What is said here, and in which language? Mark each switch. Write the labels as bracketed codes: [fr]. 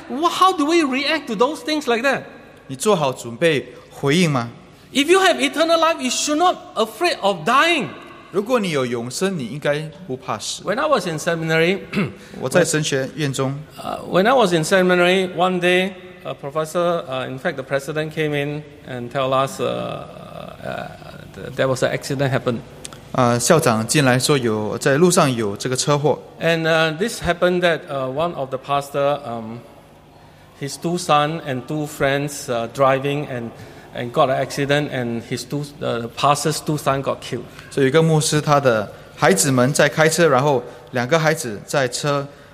[en] How do we react to those things like that? [zh] 你做好准备回应吗 [en] ？If you have eternal life, you should not afraid of dying. [zh] 如果你有永生，你应该不怕死。 [en] When I was in seminary, [zh] 我在神学院中。 [en] When I was in seminary, one day, a professor, in fact, the president came in and tell us there was an accident happened. [zh] 校长进来说有在路上有这个车祸。 [en] And this happened that one of the pastor, his two sons and two friends driving and got an accident, and his two the pastor's two sons got killed. [zh] 所以一个牧师他的孩子们在开车，然后两个孩子在车。